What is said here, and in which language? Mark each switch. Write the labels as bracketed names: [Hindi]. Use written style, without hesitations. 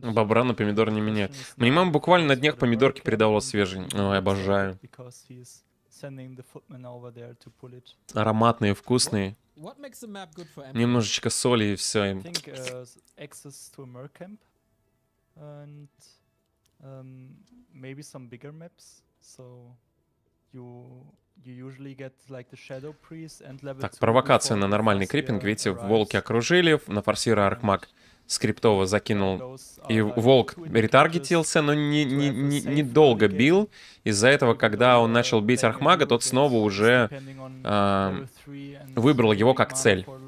[Russian] Бобра на помидор не меняет. Мне мама буквально на днях помидорки передавала свежий. Ой, обожаю. [English] Because he's sending the footman over there to pull it. [Russian] Ароматные, вкусные. [English] What makes the map good for MK? [Russian] Немножечко соли и все. [English] I think access to a merc camp and maybe some bigger maps, so you usually get like the shadow priest and level. [Russian] Так, провокация на нормальный крипинг, видите, волки окружили, на форсира архмаг скриптово закинул, и волк ретаргетился, но недолго бил. Из-за этого, когда он начал бить архмага, тот снова уже выбрал его как цель.